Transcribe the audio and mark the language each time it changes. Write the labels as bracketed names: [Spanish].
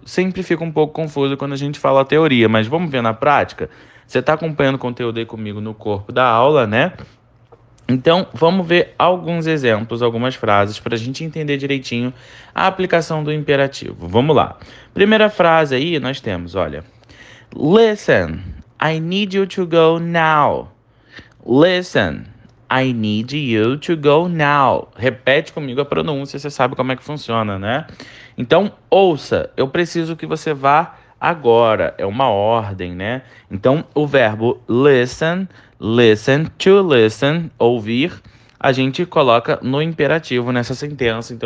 [Portuguese] Sempre fica um pouco confuso quando a gente fala teoria, mas vamos ver na prática? Você está acompanhando o conteúdo aí comigo no corpo da aula, né? Então, vamos ver alguns exemplos, algumas frases, para a gente entender direitinho a aplicação do imperativo. Vamos lá. Primeira frase aí, nós temos, olha. [English] Listen, I need you to go now. Listen. I need you to go now. [Portuguese] Repete comigo a pronúncia, você sabe como é que funciona, né? Então, ouça, eu preciso que você vá agora. É uma ordem, né? Então, o verbo listen, listen to listen, ouvir, a gente coloca no imperativo nessa sentença.